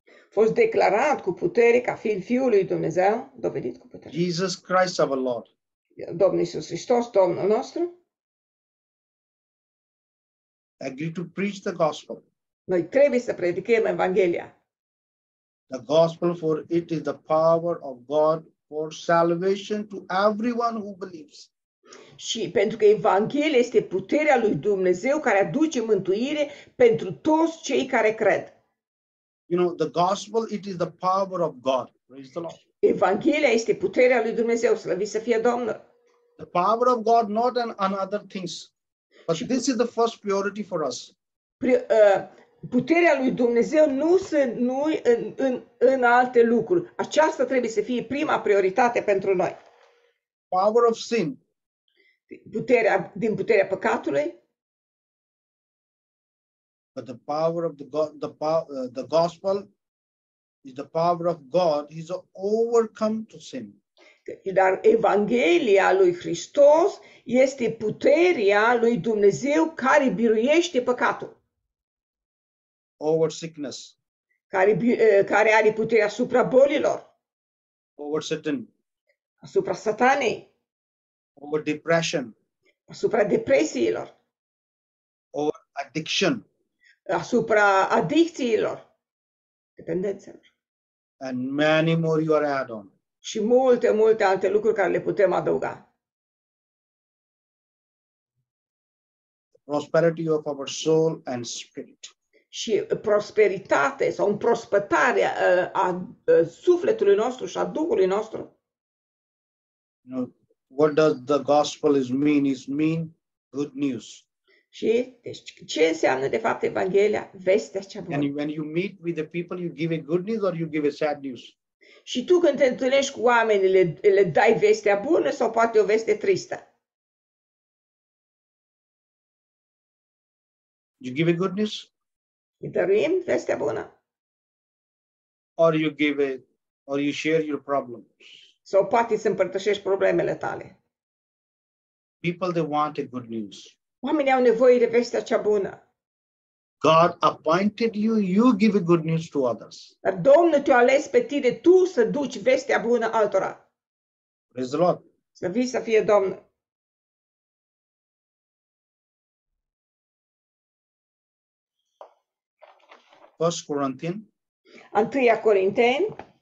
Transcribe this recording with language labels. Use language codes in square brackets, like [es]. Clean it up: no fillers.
[ro] Fost declarat cu putere ca fiind Fiul lui Dumnezeu, dovedit cu putere. [en] Jesus Christ our Lord. [ro] Domnul Iisus Hristos, Domnul nostru. [en] Agree to preach the gospel. [ro] Noi trebuie să predicăm Evanghelia. [en] The gospel, for it is the power of God for salvation to everyone who believes. [ro] Și pentru că Evanghelia este puterea lui Dumnezeu care aduce mântuire pentru toți cei care cred. [en] You know, the gospel, it is the power of God. Praise the Lord. [ro] Evanghelia este puterea lui Dumnezeu, slăvit să fie Domnul. [en] The power of God, not on other things. But this is the first priority for us. [ro] Puterea lui Dumnezeu nu sunt noi în alte lucruri. Aceasta trebuie să fie prima prioritate pentru noi. [en] Power of sin. [ro] Puterea păcatului. [en] But the power of the gospel is the power of God. He's overcome to sin. [ro] Dar Evanghelia lui Hristos este puterea lui Dumnezeu care biruiește păcatul. [en] Over sickness. [ro] Care are puterea asupra bolilor. [en] Over Satan. [ro] Asupra satanei. [en] Over depression. [ro] Asupra depresiilor. [en] Over addiction. [ro] Asupra adicțiilor. Dependențelor. [en] And many more you are add-on. [ro] Și multe, multe alte lucruri care le putem adăuga. [en] Prosperity of our soul and spirit. [ro] Și prosperitate sau împrospătarea a sufletului nostru și a Duhului nostru. [en] What does the gospel mean? It means good news. [ro] Și deci, ce înseamnă de fapt Evanghelia, vestea cea bună? [en] And when you meet with the people, you give a good news or you give a sad news? [ro] Și tu când te întâlnești cu oamenii, le dai vestea bună sau poate o veste tristă? [en] You give a good news? [ro] Îi dăruim vestea bună. [en] Or you give a, or you share your problems. [ro] Sau poate să împărtășești problemele tale. [en] People, they want a good news. [ro] Oamenii au nevoie de vestea cea bună. [en] God appointed you, you give a good news to others. [ro] Dar Domnul te-a ales pe tine, tu să duci vestea bună altora. [en] Praise the Lord. [ro] Să vii să fie Domnul. [en] First Corinthians. [ro] 1 Corinteni.